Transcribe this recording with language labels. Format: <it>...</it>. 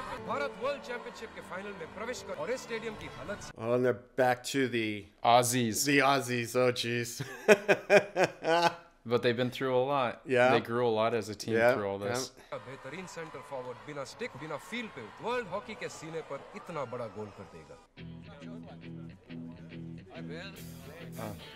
<hi>Bharat world championship के final में प्रवेश कर और इस स्टेडियम की हालत से।</hi> <en>Oh, and they're back to the Aussies. The Aussies, oh jeez. But they've been through a lot. Yeah. They grew a lot as a team yeah. through all this.</en> <hi>बेहतरीन centre forward बिना stick बिना field पे world hockey के सीने पर इतना बड़ा गोल कर देगा।</hi>